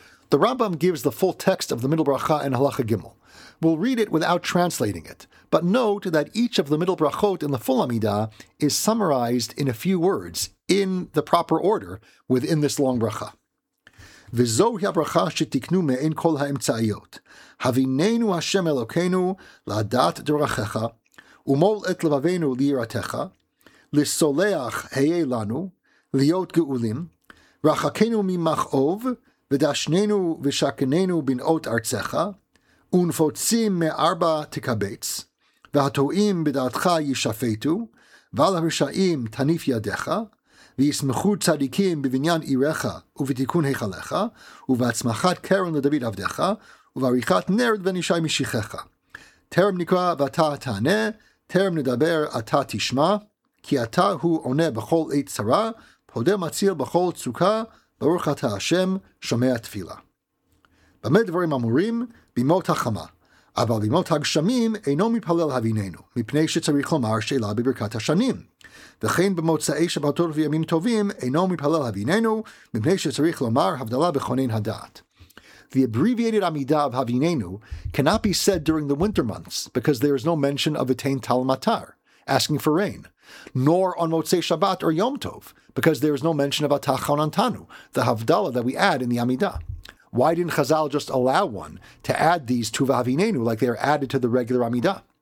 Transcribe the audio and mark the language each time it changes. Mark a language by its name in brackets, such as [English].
[English] The Rambam gives the full text of the middle bracha in Halacha Gimel. We'll read it without translating it, but note that each of the middle brachot in the full Amidah is summarized in a few words, in the proper order, within this long bracha. [Hebrew] V'zohi ha-bracha shetiknu me'en kol ha-emtzayot. Havineinu Hashem Elokeinu la'dat d'rachecha, umol et levavenu li'iratecha, לסולח היה לנו, להיות גאולים, רחקנו ממחאוב, ודשננו ושקננו בנאות ארצך, ונפוצים מארבע תקבץ, והטועים בדעתך ישפטו, ועל הרשעים תניף ידך, וישמחו צדיקים בבניין עירך ובתיקון היכלך, ובהצמחת קרן לדוד עבדך, ובעריכת נר ונישי משיחך. תרם נקרא ואתה תענה, תרם נדבר אתה תשמע, כי אתה הוא עונה בכל עת צרה, פודה מציל בכל צוקה, ברוך אתה השם, שומע תפילה. במה דברים אמורים? בימות החמה. אבל בימות הגשמים אינו מפלל הבינינו, מפני שצריך לומר שאלה בברכת השנים. וכן במוצאי שבתות וימים טובים אינו מפלל הבינינו, מפני שצריך לומר הבדלה בכונן הדעת. [English] The abbreviated Amidah of הבינינו cannot be said during the winter months, because there is no mention of attain tal matar, asking for rain. Nor on Motzei Shabbat or Yom Tov, because there is no mention of Atah Chonantanu, the Havdalah that we add in the Amidah. Why didn't Chazal just allow one to add these to Vavinenu like they are added to the regular Amidah?